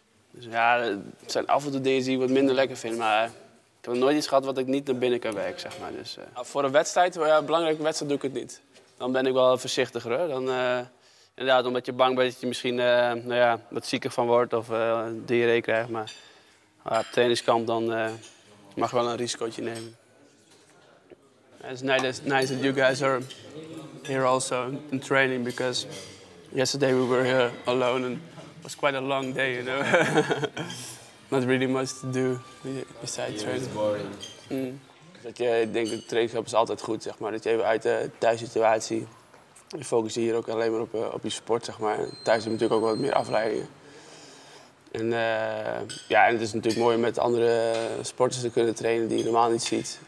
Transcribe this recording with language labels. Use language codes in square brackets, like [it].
[nl] Dus ja, het zijn af en toe dingen die ik wat minder lekker vind, maar ik heb nooit iets gehad wat ik niet naar binnen kan werken, zeg maar. Dus, voor een wedstrijd, ja, een belangrijke wedstrijd, doe ik het niet. Dan ben ik wel voorzichtiger, hoor. Dan, inderdaad, omdat je bang bent dat je misschien wat zieker van wordt of diarree krijgt, maar... Ja, op trainingskamp dan mag je wel een risicootje nemen. [en] It's nice that you guys are here also in training because yesterday we were here alone and it was quite a long day, you know. Not really much to do besides training. It's boring. [nl] Dat je denkt, trainingskamp is altijd goed, zeg maar. Dat je even uit de thuissituatie, je focust hier ook alleen maar op je sport, zeg maar. Thuis heb je natuurlijk ook wat meer afleidingen. En het is natuurlijk mooi om met andere sporters te kunnen trainen die je normaal niet ziet.